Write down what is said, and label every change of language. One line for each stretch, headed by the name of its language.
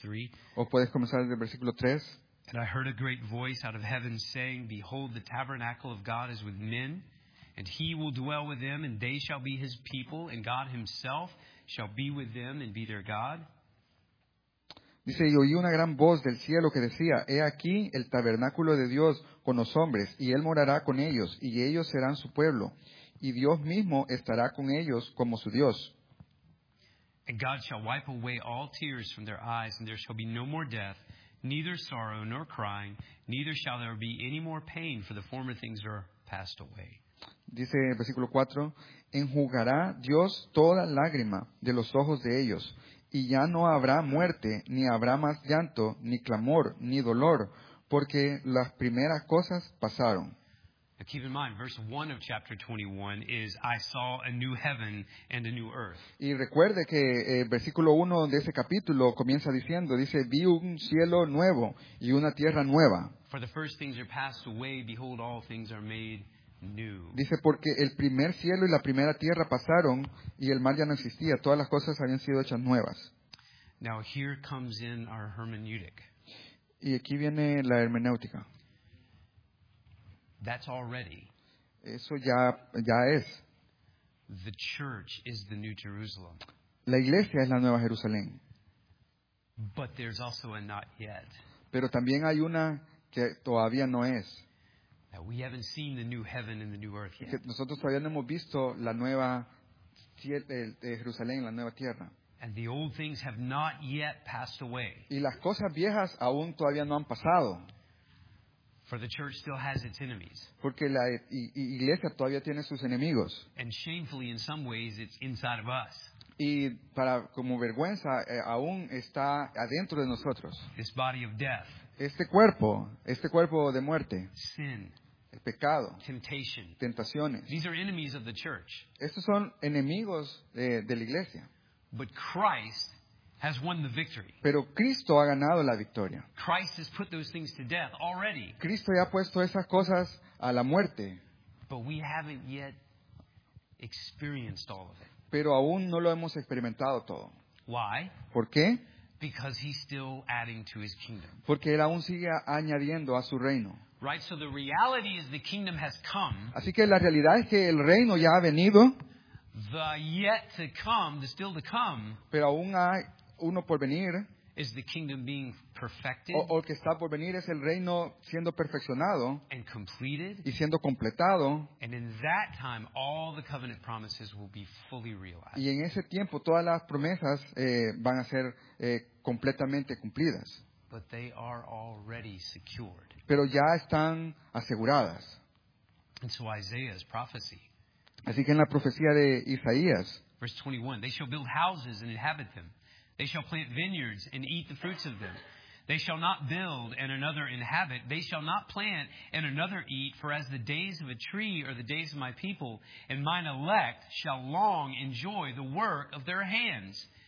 Spanish: 3. O puedes comenzar desde el versículo 3.
English: And I heard a great voice out of heaven saying, behold, the tabernacle of God is with men, and he will dwell with them, and they shall be his people, and God himself shall be with them and be their God.
Spanish: Dice, y oí una gran voz del cielo que decía, he aquí el tabernáculo de Dios con los hombres, y él morará con ellos, y ellos serán su pueblo, y Dios mismo estará con ellos como su Dios.
English: And God shall wipe away all tears from their eyes, and there shall be no more death, neither sorrow nor crying, neither shall there be any more pain, for the former things are passed away.
Spanish: Dice en versículo 4, enjugará Dios toda lágrima de los ojos de ellos, y ya no habrá muerte, ni habrá más llanto, ni clamor, ni dolor, porque las primeras cosas pasaron.
English: Now keep in mind, verse 1 of chapter 21 is, I saw a new heaven and a new earth.
Spanish: Y recuerde que el versículo 1 de ese capítulo comienza diciendo, dice, vi un cielo nuevo y una tierra nueva.
English: For the first things are passed away, behold, all things are made new.
Spanish: Dice, porque el primer cielo y la primera tierra pasaron y el mar ya no existía. Todas las cosas habían sido hechas nuevas.
English: Now here comes in our hermeneutic.
Spanish: Y aquí viene la hermenéutica.
English: That's already.
Spanish: Eso ya es.
English: The church is the new Jerusalem.
Spanish: La iglesia es la nueva Jerusalén.
English: But there's also a not yet.
Spanish: Pero también hay una que todavía no es.
English: We haven't seen the new heaven and the new earth yet.
Spanish: Nosotros todavía no hemos visto la nueva Jerusalén, la nueva tierra.
English: And the old things have not yet passed away.
Spanish: Y las cosas viejas aún todavía no han pasado.
English: For the church still has its enemies.
Spanish: Porque la iglesia todavía tiene sus enemigos.
English: And shamefully, in some ways, it's inside of us.
Spanish: Y para como vergüenza aún está adentro de nosotros.
English: This body of death.
Spanish: Este cuerpo de muerte.
English: Sin.
Spanish: El pecado.
English: Temptation.
Spanish: Tentaciones.
English: These are enemies of the church.
Spanish: Estos son enemigos de la iglesia.
English: But Christ has won the victory.
Spanish: Pero Cristo ha ganado la victoria.
English: Christ has put those things to death already.
Spanish: Cristo ya ha puesto esas cosas a la muerte.
English: But we haven't yet experienced all of it.
Spanish: Pero aún no lo hemos experimentado todo.
English: Why?
Spanish: ¿Por qué?
English: Because he's still adding to his kingdom.
Spanish: Porque él aún sigue añadiendo a su reino.
English: Right, so the reality is the kingdom has come.
Spanish: Así que la realidad es que el reino ya ha venido.
English: The yet to come, the still to come.
Spanish: Pero aún hay uno por venir.
English: is the kingdom being perfected,
Spanish: o que está por venir es el reino siendo perfeccionado
English: and completed,
Spanish: y siendo completado,
English: and in that time all the covenant promises will be fully realized.
Spanish: Y en ese tiempo todas las promesas van a ser completamente cumplidas.
English: But they are already secured.
Spanish: Pero ya están aseguradas.
English: And so Isaiah's prophecy.
Spanish: Así que en la profecía de Isaías,
English: verse 21, they shall build houses and inhabit them. They shall plant vineyards and eat the fruits of them. They shall not build and another inhabit. They shall not plant and another eat. For as the days of a tree are the days of my people, and mine elect shall long enjoy the work of their hands.